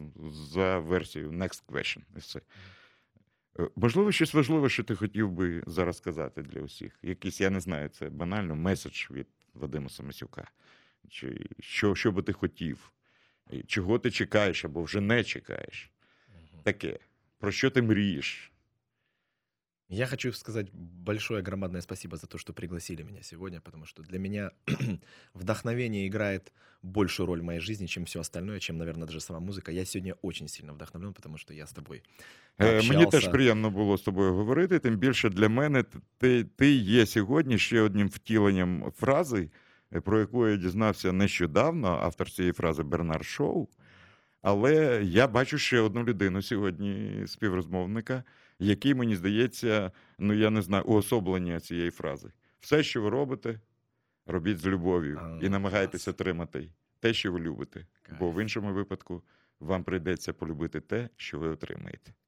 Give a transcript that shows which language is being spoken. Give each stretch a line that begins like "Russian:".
Ukrainian: За версією
English: next question.
Ukrainian: Можливо, щось важливе, що ти хотів би зараз сказати для усіх? Якийсь, я не знаю, це банально меседж від Вадима Самисюка. Чи що би ти хотів? Чого ти чекаєш або вже не чекаєш? Таке. Про що ти мрієш?
Russian: Я хочу сказать большое громадное спасибо за то, что пригласили меня сегодня, потому что для меня вдохновение играет большую роль в моей жизни, чем все остальное, чем, наверное, даже сама музыка. Я сегодня очень сильно вдохновлен, потому что я с тобой общался. Мне тоже приятно было с тобой говорить, тем больше для меня ты есть сегодня еще одним втиленням фразы,
Ukrainian: про которую я дізнався нещодавно, автор цієї фрази Бернар Шоу. Але я бачу ще одну людину сьогодні, співрозмовника, який, мені здається, ну я не знаю, уособлення цієї фрази. Все, що ви робите, робіть з любов'ю і намагайтеся отримати те, що ви любите. Кайф. Бо в іншому випадку вам прийдеться полюбити те, що ви отримаєте.